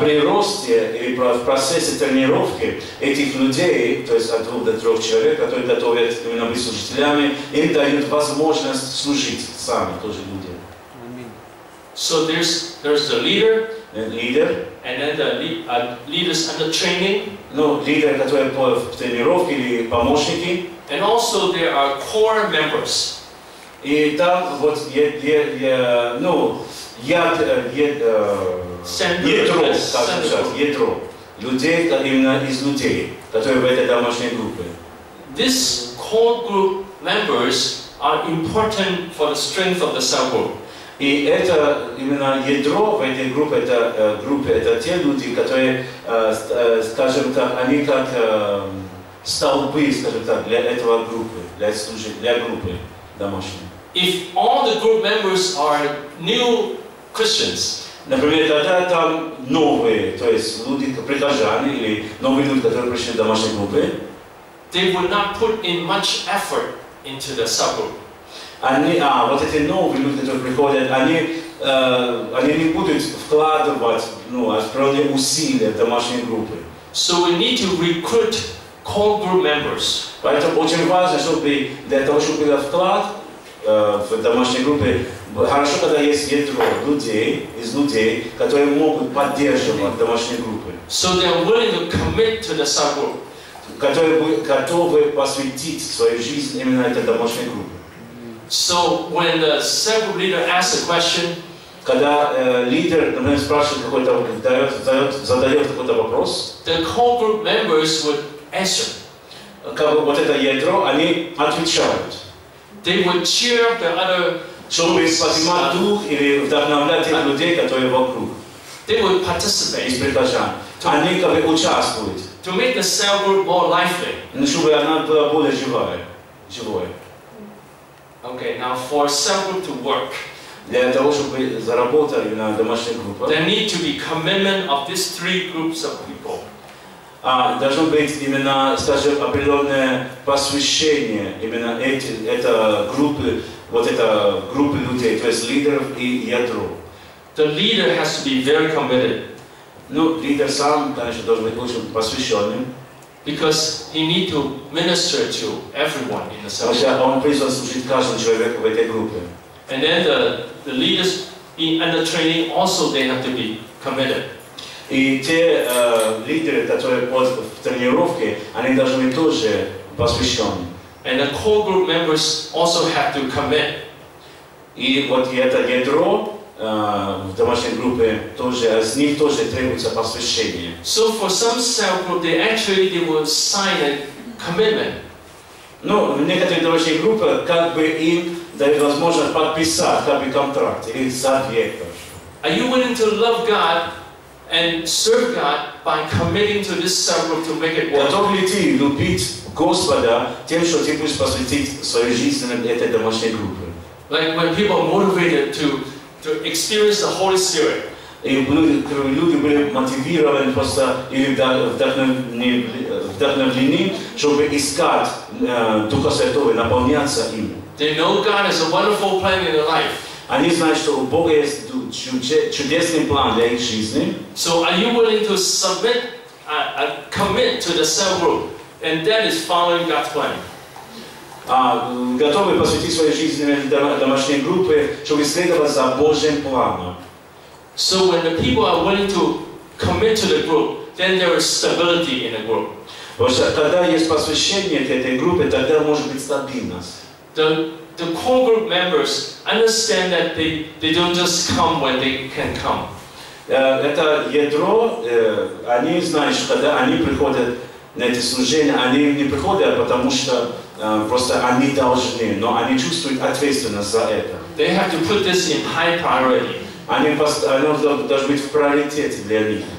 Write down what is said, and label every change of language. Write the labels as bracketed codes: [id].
[ru] При росте или в процессе тренировки этих людей, то есть от двух до трех человек, которые готовят именно быть служителями, им дают возможность служить сами тоже людям. [en] So there's the leader, and then the leaders under training. [ru] Leader, которые в тренировке или помощники. [en] And also there are core members. [ru] И там вот ядро, людей, именно из людей, которые в этой домашней группе. [en] These core group members are important for the strength of the cell group. [ru] И это именно ядро в этой группе, это те люди, которые, скажем так, они как столбы, скажем так, для этого группы, для группы домашней. [en] If all the group members are new Christians, [ru] например, тогда там новые, то есть люди, прихожане или новые люди, которые пришли в домашней группе, [en] they would not put in much effort into the subgroup. [ru] Вот эти новые люди, которые приходят, они не будут вкладывать определенные усилия в домашние группы. [en] So we need to recruit core group members. [ru] Поэтому очень важно, чтобы для того, чтобы был вклад в домашние группы, хорошо, когда есть ядро людей, которые могут поддерживать домашние группы. [en] So they're willing to commit to the subgroup. [ru] Которые готовы посвятить свою жизнь именно этой домашней группе. [en] So when the cell group leader asks a question, [ru] когда лидер, например, спрашивает какой-то задает какой-то вопрос, [en] the core group members would answer. [ru] Как бы вот это ядро, они отвечают. [en] They would cheer up the other. [ru] Чтобы поднимать дух или вдохновлять тех людей, которые вокруг. [en] They would participate. [ru] Из прихожан. Они как бы участвуют. [en] To make the cell group more lively. [ru] Чтобы она была более живая. [en] Okay, now for cell group to work, [ru] для того, чтобы заработали на домашних группах, [en] there need to be commitment of these three groups of people. [ru] Должно быть именно, скажем, определенное посвящение именно эти группы, вот это группы людей, то есть лидеров и ядро. [en] The leader has to be very committed. [ru] Ну, лидер сам, конечно, должен быть очень посвященным. [en] Because he need to minister to everyone in the cell group. [ru] Он призван служить каждому человеку в этой группе. [en] And then the leaders in under training also they have to be committed. [ru] И те лидеры, которые в тренировке, они должны быть тоже посвящены. [en] And the core group members also have to commit. [ru] И вот это ядро в домашней группе тоже, с них тоже требуется посвящение. [en] So for some cell group, they actually they will sign a commitment. [ru] Ну, в некоторых домашних группах как бы им дают возможность подписать как бы контракт или завет. [en] Are you willing to love God and serve God by committing to this cell group to make it work? [ru] Готов ли ты любить Господа тем, что ты будешь посвятить свою жизнь этой домашней группе? [en] Like when people are motivated to experience the Holy Spirit. [ru] И люди были мотивированы просто или вдохновлены, чтобы искать Духа Святого, наполняться им. [en] They know God has a wonderful plan in their life. [ru] Они знают, что у Бога есть чудесный план для их жизни. [en] So are you willing to submit, commit to the cell group, and that is following God's plan? [ru] Готовы посвятить свою жизнь домашней группе, чтобы следовать за Божьим планом. [en] So when the people are willing to commit to the group, then there is stability in the group. [ru] Когда есть посвящение этой группе, тогда может быть стабильность. [en] The core group members understand that they don't just come when they can come. [ru] Это ядро, они знают, что когда они приходят на эти служения, они не приходят, потому что просто они должны, но они чувствуют ответственность за это. [en] They have to put this in high priority. [ru] Они должны быть в приоритете для них.